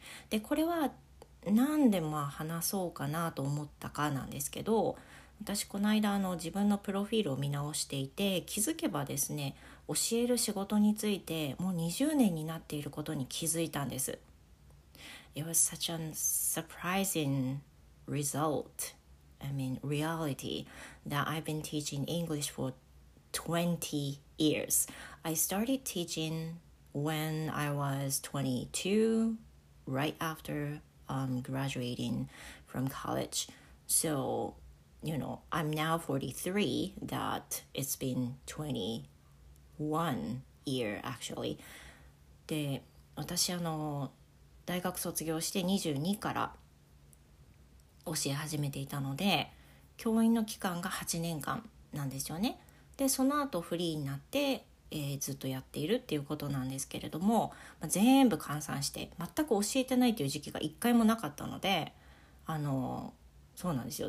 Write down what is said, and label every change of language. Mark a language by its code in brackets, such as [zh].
[ja] で、これはなんで話そうかなと思ったかなんですけど、私この間自分のプロフィールを見直していて、気づけばですね、教える仕事についてもう20年になっていることに気づいたんです。 [en] It was such a surprising result I mean, reality that I've been teaching English for 20 years. I started teaching when I was 22, right after graduating from college. So, you know, I'm now 43, that it's been 21 year actually. [ja] で、私あの、大学卒業して22から教え始めていたので、教員の期間が8年間なんですよね。で、その後フリーになって、ずっとやっているっていうことなんですけれども、まあ、全部換算して全く教えてないという時期が一回もなかったので、あのそうなんですよ。